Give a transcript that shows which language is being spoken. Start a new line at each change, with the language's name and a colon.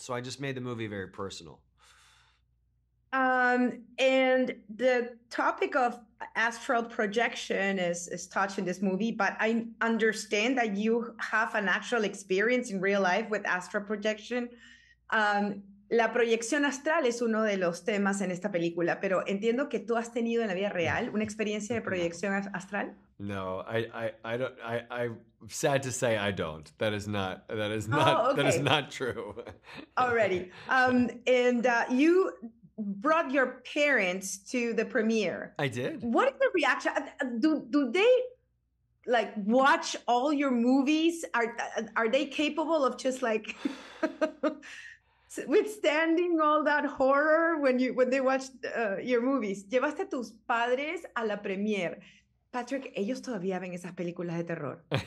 English: So I just made the movie very personal. And the topic of astral projection is touched in this movie, but I understand that you have an actual experience in real life with astral projection.
Spanish: La proyección astral es uno de los temas en esta película, pero entiendo que tú has tenido en la vida real una experiencia de proyección astral.
English: No, I don't. I'm sad to say I don't. That is not. That is Oh, not. That is okay. not true. Already. You brought your parents to the premiere. I did. What is the reaction? Do they like watch all your movies? Are they capable of just like withstanding all that horror when they watch your movies?
Spanish: ¿Llevaste a tus padres a la premiere? Patrick, ellos todavía ven esas películas de terror.